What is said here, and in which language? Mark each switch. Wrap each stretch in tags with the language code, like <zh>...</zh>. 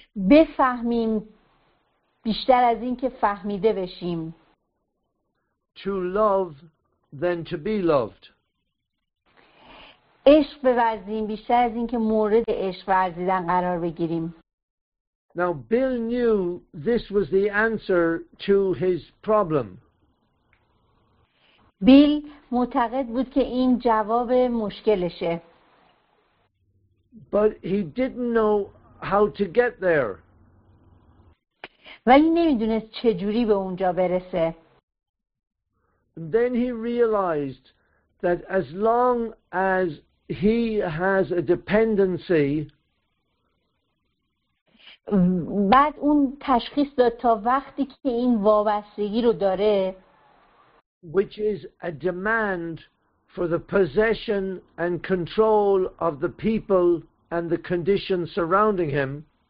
<fa>بفهمیم بیشتر از این که فهمیده بشیم.</fa> <en>To love than to be loved.</en> <fa>عشق بورزیم بیشتر از این که مورد عشق ورزیدن قرار بگیریم.</fa> <en>Now Bill knew this was the answer to his problem.</en> <fa>بیل معتقد بود که این جواب مشکلشه.</fa> <en>But he didn't know how to get there.</en> <fa>ولی نمیدونست چجوری به اونجا برسه.</fa> <en>And then he realized that as long as he has a dependency,</en> <fa>بعد اون تشخیص داد تا وقتی که این وابستگی رو داره،</fa> <en>which is a demand for the possession and control of the people and the conditions surrounding him,</en>